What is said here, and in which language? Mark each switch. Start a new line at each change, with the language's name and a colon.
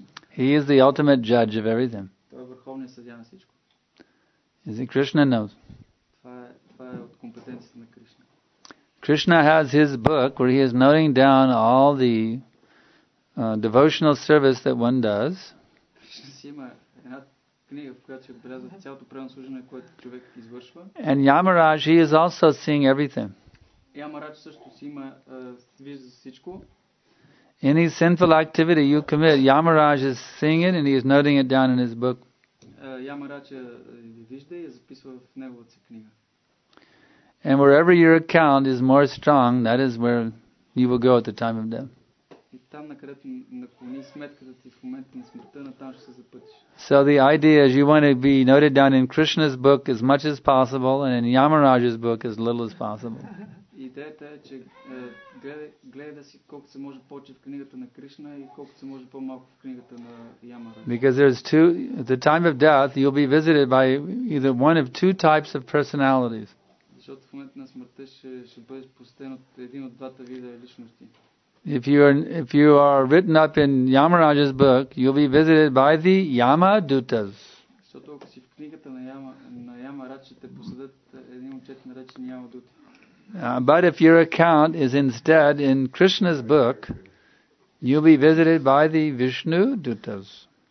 English: He is the ultimate judge of everything.
Bulgarian: Той е върховният съдия на всичко.
English: Is it Krishna knows?
Bulgarian: Това е от компетенцията на Кришна.
English: Krishna has his book where he is noting down all the devotional service that one does.
Bulgarian: Има една книга, в която се отбелязва цялото правилно служене, което човек извършва.
English: And Yamaraj, he is also seeing everything.
Bulgarian: Yamaraj също си има вижда всичко.
English: Any sinful activity you commit, Yamaraj is seeing it and he is noting it down in his book.
Bulgarian: Yamaraj вижда и записва в неговата книга.
English: And wherever your account is more strong, that is where you will go at the time of death.
Bulgarian: И там, на където наклони сметката ти в момента на смъртта, на там ще се запътиш.
English: So the idea is you want to be noted down in Krishna's book as much as possible and in Yamaraj's book as little as possible.
Bulgarian: Идеята е, че гледай да си колко се може повече в книгата на Кришна и колко се може по-малко в книгата на Ямараджа.
English: Because there's at the time of death, you'll be visited by either one of two types of personalities.
Bulgarian: Защото в момента на смъртта ще бъдеш посетен от един от двата вида личности.
English: If you are written up in Yamaraj's book, you'll be visited by the Yama Dutas.
Bulgarian: Защото ако си в книгата на Ямараджа, ще те посетят един от четирите наречени Яма Дути.
English: But if your account is instead in Krishna's book, You'll be visited by the Vishnu Dutas.